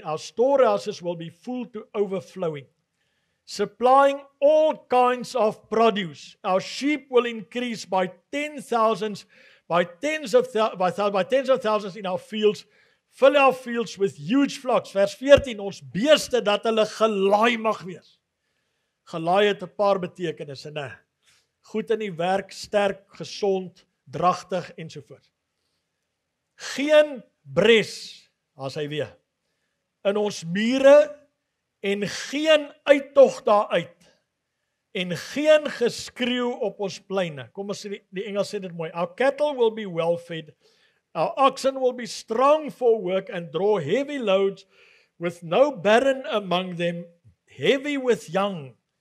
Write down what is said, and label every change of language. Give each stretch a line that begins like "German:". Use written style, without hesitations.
English: Our storehouses will be full to overflowing, supplying all kinds of produce. Our sheep will increase by tens of thousands in our fields, fill our fields with huge flocks.
Afrikaans: Vers 14, ons beeste dat hulle gelaai mag wees. Gelaai het 'n paar betekenisse, nee. Goed in die werk, sterk, gesond, dragtig ensovoorts. Geen bres, as hy weer, in ons mure en geen uittog daaruit en geen geskreeu op ons pleine. Kom ons sê, die Engels sê dit mooi.
English: Our cattle will be well fed, our oxen will be strong for work and draw heavy loads with no barren among them, heavy with young.